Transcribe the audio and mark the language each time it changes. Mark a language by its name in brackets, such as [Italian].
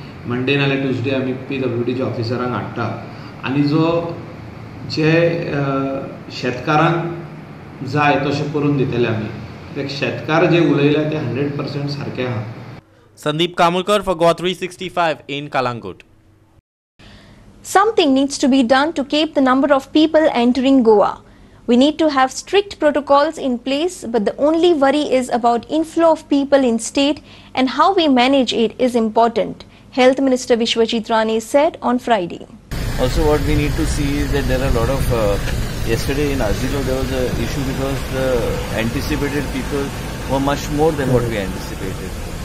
[Goan Konkani] Monday नाल्या Tuesday आम्ही PWDच्या ऑफिसरांक हाडटा आणि जो जे शेतकारांक जाय तसे करून दितले आम्ही. शेतकार जे उलयला ते 100% सारखे आहात. [English] Sandeep Kamulkar for Goa 365 in Calangute. Something needs to be done to keep the number of people entering Goa. We need to have strict protocols in place, but the only worry is about inflow of people in state, and how we manage it is important, Health Minister Vishwajit Rane said on Friday. Also what we need to see is that there are a lot of, yesterday in Azilo there was an issue because the anticipated people were much more than what we anticipated.